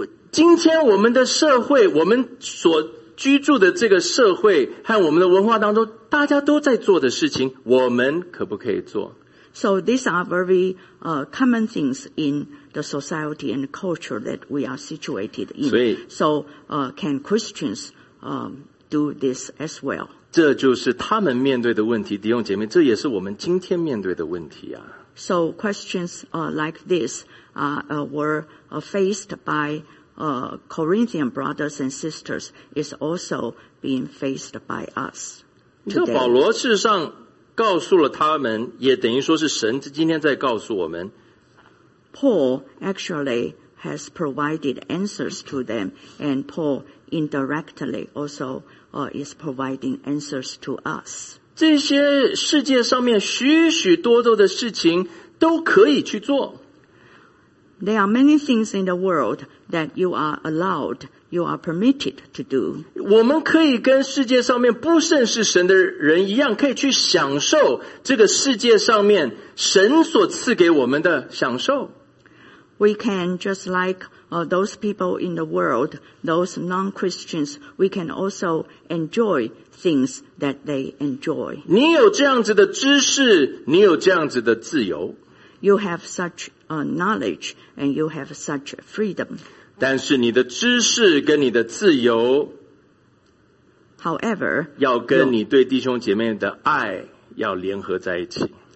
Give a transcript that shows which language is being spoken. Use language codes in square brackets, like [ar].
[zh] 今天我们的社会，我们所居住的这个社会和我们的文化当中，大家都在做的事情，我们可不可以做？ [en] So these are very common things in the society and culture that we are situated in. [zh] 所以 [en] So can Christians do this as well? [zh] 这就是他们面对的问题，弟兄姐妹，这也是我们今天面对的问题啊。 [en] So questions like this were faced by Corinthian brothers and sisters is also being faced by us today. [zh] 保罗事实上告诉了他们，也等于说是神今天在告诉我们。 [en] Paul actually has provided answers to them, and Paul indirectly also is providing answers to us. [zh] 这些世界上面许许多多的事情都可以去做。 [en] There are many things in the world that you are allowed, you are permitted to do. [zh] 我们可以跟世界上面不甚是神的人一样，可以去享受这个世界上面神所赐给我们的享受。 [en] We can, just like those people in the world, those non-Christians, we can also enjoy things that they enjoy. [zh] 你有这样子的知识，你有这样子的自由。 [en] You have such knowledge and you have such freedom. [zh] 但是你的知识跟你的自由， [en] However, [zh] 要跟你对弟兄姐妹的爱要联合在一起。